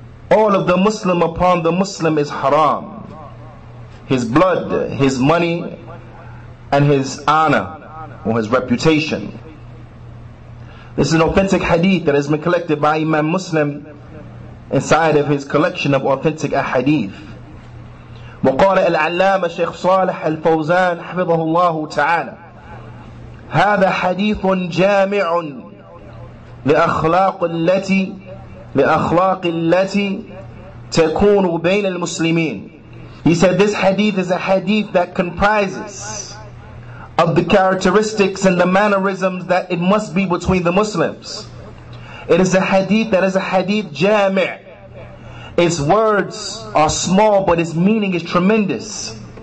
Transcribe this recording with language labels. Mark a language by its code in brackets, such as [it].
[en] All of the Muslim upon the Muslim is haram. His blood, his money, and his honor or his reputation. This is an authentic hadith that has been collected by Imam Muslim inside of his collection of authentic ahadith. [ar] وقال العلامة شيخ صالح الفوزان حفظه الله تعالى هذا حديث جامع لأخلاق التي لأخلاق التي تكون بين المسلمين. [en] He said this hadith is a hadith that comprises of the characteristics and the mannerisms that it must be between the Muslims. It is a hadith that is a hadith jami'. Its words are small, but its meaning is tremendous.